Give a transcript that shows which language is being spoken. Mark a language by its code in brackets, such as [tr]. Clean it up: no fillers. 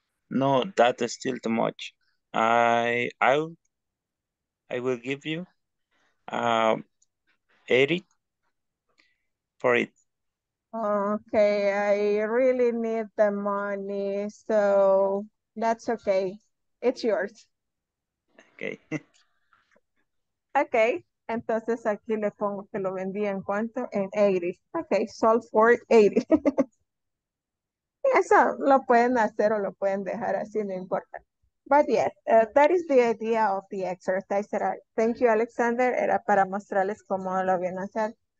[en] No, that is still too much. I will give you $80 for it. Okay, I really need the money, so that's okay. It's yours. Okay. Okay. [es] Entonces aquí le pongo que lo vendí en cuánto, en 80. [en] Okay, sold for 80. [es] Eso lo pueden hacer o lo pueden dejar así, no importa. [en] But yes, that is the idea of the exercise. Thank you, Alexander. [es] Era para mostrarles cómo lo vienen a hacer.